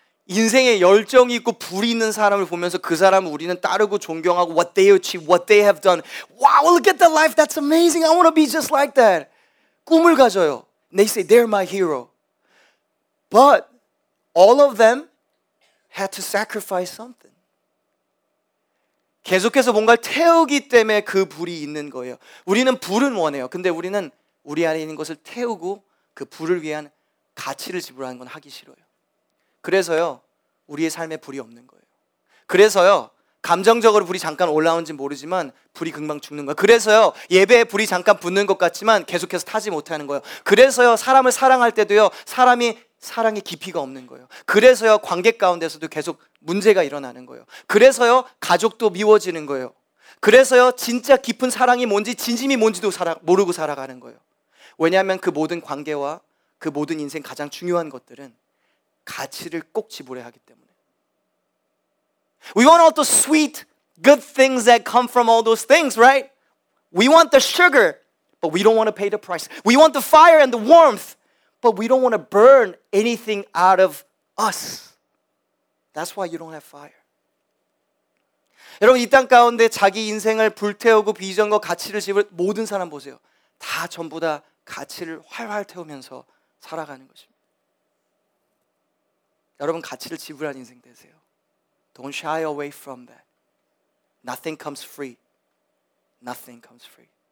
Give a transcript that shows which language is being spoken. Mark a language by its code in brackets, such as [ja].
[ko] 인생에 열정이 있고 불이 있는 사람을 보면서 그 사람을 우리는 따르고 존경하고, [en] what they achieve, what they have done. Wow, look at that life. That's amazing. I want to be just like that. [ko] 꿈을 가져요. [en] And they say, they're my hero. But all of them had to sacrifice something. [ko] 계속해서 뭔가를 태우기 때문에 그 불이 있는 거예요. 우리는 불은 원해요. 근데 우리는 우리 안에 있는 것을 태우고 그 불을 위한 가치를 지불하는 건 하기 싫어요. 그래서요, 우리의 삶에 불이 없는 거예요. 그래서요, 감정적으로 불이 잠깐 올라오는지 모르지만 불이 금방 죽는 거예요. 그래서요, 예배에 불이 잠깐 붙는 것 같지만 계속해서 타지 못하는 거예요. 그래서요, 사람을 사랑할 때도요, 사람이 사랑의 깊이가 없는 거예요. 그래서요, 관계 가운데서도 계속 문제가 일어나는 거예요. 그래서요, 가족도 미워지는 거예요. 그래서요, 진짜 깊은 사랑이 뭔지 진심이 뭔지도 모르고 살아가는 거예요. 왜냐하면 그 모든 관계와 그 모든 인생 가장 중요한 것들은 가치를 꼭 지불해야 하기 때문에. [en] We want all the sweet, good things that come from all those things, right? We want the sugar, but we don't want to pay the price. We want the fire and the warmth, but we don't want to burn anything out of us. That's why you don't have fire. [ko] 여러분, 이 땅 가운데 자기 인생을 불태우고 비전과 가치를 지불, 모든 사람 보세요. 다 전부 다 가치를 활활 태우면서 살아가는 것입니다. 여러분, 가치를 지불한 인생 되세요. [en] Don't shy away from that. Nothing comes free. Nothing comes free.